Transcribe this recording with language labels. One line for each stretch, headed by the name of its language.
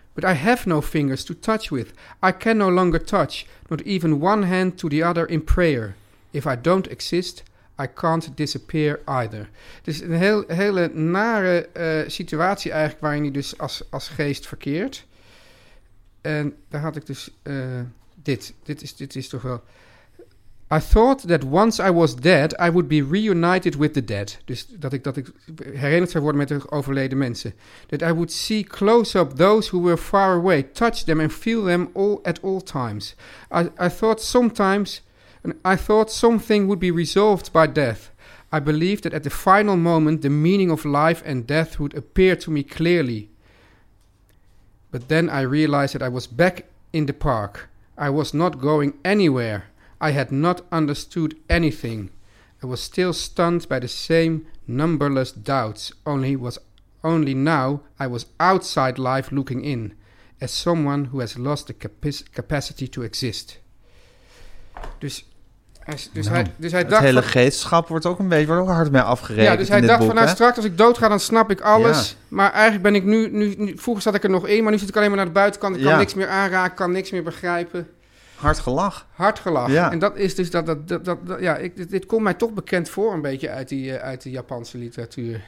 English: But I have no fingers to touch with. I can no longer touch. Not even one hand to the other in prayer. If I don't exist... I can't disappear either.
Dutch: Dus een hele nare situatie eigenlijk... waarin hij dus als geest verkeert. En daar had ik dus dit. Dit is toch wel...
English: I thought that once I was dead... I would be reunited with the dead.
Dutch: Dus dat ik herinnerd zou worden met de overleden mensen.
English: That I would see close up those who were far away... touch them and feel them all at all times. I thought sometimes... And I thought something would be resolved by death. I believed that at the final moment the meaning of life and death would appear to me clearly. But then I realized that I was back in the park. I was not going anywhere. I had not understood anything. I was still stunned by the same numberless doubts. Only now I was outside life looking in, as someone who has lost the capacity to exist.
Dutch: Dus hij dacht het hele geestschap wordt ook hard mee afgerekend. Ja, dus hij in dit dacht boek, van nou, straks als ik doodga, dan snap ik alles. Ja. Maar eigenlijk ben ik nu. Vroeger zat ik er nog in, maar nu zit ik alleen maar naar de buitenkant. Ik kan niks meer aanraken, kan niks meer begrijpen. Hard gelach. Ja. En dat is dus dit komt mij toch bekend voor een beetje uit de Japanse literatuur.